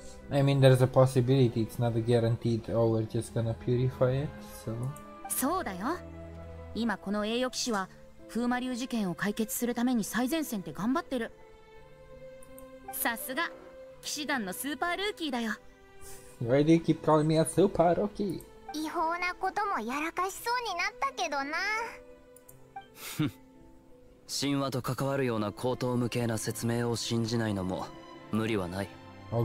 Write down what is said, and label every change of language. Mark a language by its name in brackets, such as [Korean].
[English] I mean, there's a possibility. It's not guaranteed. Oh, we're just gonna purify it. So. [Japanese] そうだよ。今この栄誉騎士は風魔竜事件を解決するために最前線で頑張ってる。さすが騎士団のスーパールーキーだよ。 [English] Why do you keep calling me a super rookie? [Japanese] 違法なこともやらかしそうになったけどな。神話と関わるような高等無形な説明を信じないのも無理はない。Oh